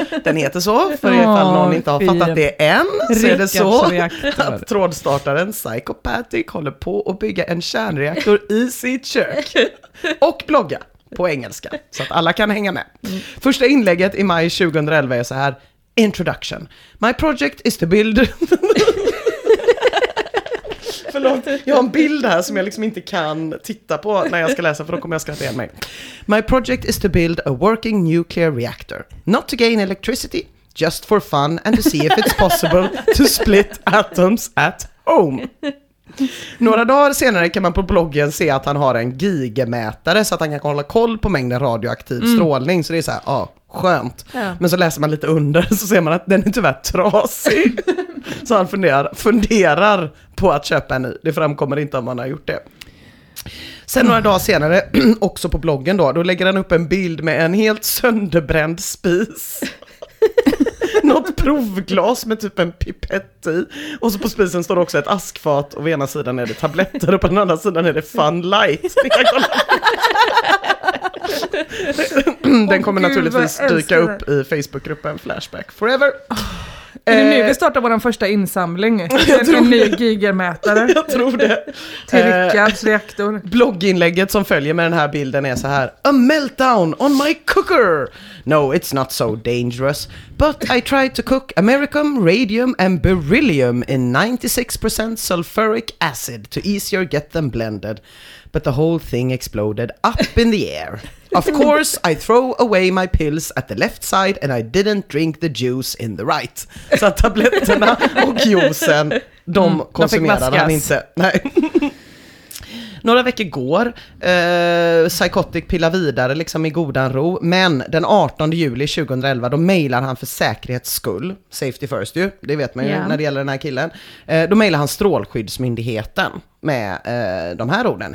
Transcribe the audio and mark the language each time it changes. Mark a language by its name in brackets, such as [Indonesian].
[Swedish] Den heter så, för ifall någon inte har fattat det än, så är det så att trådstartaren Psychopathic håller på att bygga en kärnreaktor i sitt kök och blogga på engelska, så att alla kan hänga med. Första inlägget i maj 2011 är så här: introduction. [English] My project is to build... [Swedish] Förlåt, jag har en bild här som jag liksom inte kan titta på när jag ska läsa, för då kommer jag skratta igen mig. [English] My project is to build a working nuclear reactor. Not to gain electricity, just for fun and to see if it's possible to split atoms at home. [Swedish] Några dagar senare kan man på bloggen se att han har en gigamätare så att han kan hålla koll på mängden radioaktiv strålning. Så det är så här, ja... skönt. Ja. Men så läser man lite under så ser man att den är tyvärr trasig. Så han funderar på att köpa en ny. Det framkommer inte om man har gjort det. Sen några dagar senare, också på bloggen då lägger han upp en bild med en helt sönderbränd spis. Något provglas med typ en pipett i. Och så på spisen står också ett askfat och på ena sidan är det tabletter och på den andra sidan är det Fun Light. Ni kan kolla. Den kommer naturligtvis dyka upp i Facebookgruppen Flashback Forever. Är det nu vi startar vår första insamling? En ny gigamätare. Jag tror det. Till Rickards reaktor. Blogginlägget som följer med den här bilden är så här: [English] a meltdown on my cooker. No, it's not so dangerous. But I tried to cook americium, radium and beryllium in 96% sulfuric acid to easier get them blended. But the whole thing exploded up in the air. Of course, I throw away my pills at the left side and I didn't drink the juice in the right. [Swedish] Så tabletterna och juicen De konsumerade han inte. Nej. Några veckor går, Psychotic pillar vidare liksom i godan ro, men den 18 juli 2011 då mailar han för säkerhets skull, [English] safety first [Swedish] ju, det vet man ju när det gäller den här killen, då mailar han Strålskyddsmyndigheten med de här orden.